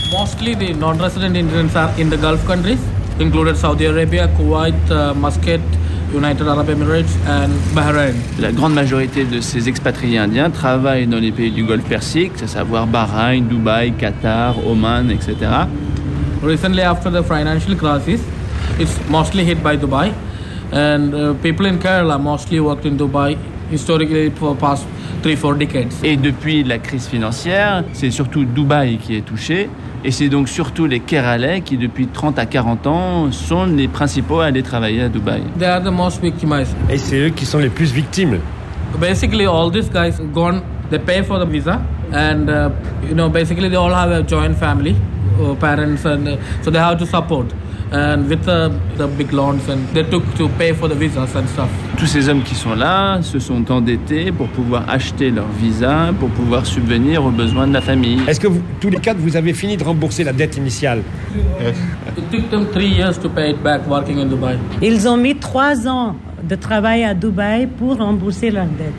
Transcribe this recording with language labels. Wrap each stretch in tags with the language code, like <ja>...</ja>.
<en>Mostly the non-resident Indians are in the Gulf countries, including Saudi Arabia, Kuwait, Muscat, United Arab Emirates and Bahrain.</en> <fr>La grande majorité de ces expatriés indiens travaillent dans les pays du Golfe Persique, à savoir Bahreïn, Dubaï, Qatar, Oman, etc.</fr> <en>Recently, after the financial crisis, it's mostly hit by Dubai. And people in Kerala mostly worked in Dubai historically for past 3-4 decades.</en> <fr>Et depuis la crise financière, c'est surtout Dubaï qui est touché. Et c'est donc surtout les Keralais qui, depuis 30 à 40 ans, sont les principaux à aller travailler à Dubaï.</fr> <en>They are the most victimized.</en> <fr>Et c'est eux qui sont les plus victimes.</fr> <en>Basically, all these guys gone, they pay for the visa. And, you know, basically, they all have a joint family, parents, and so they have to support. And with the big loans and they took to pay for the visas and stuff.</en> <fr>Tous ces hommes qui sont là se sont endettés pour pouvoir acheter leur visa, pour pouvoir subvenir aux besoins de la famille. Est-ce que vous, tous les quatre, vous avez fini de rembourser la dette initiale?</fr> <en>It took them 3 years to pay it back working in Dubai.</en> <fr>Ils ont mis 3 ans de travail à Dubaï pour rembourser leur dette.</fr>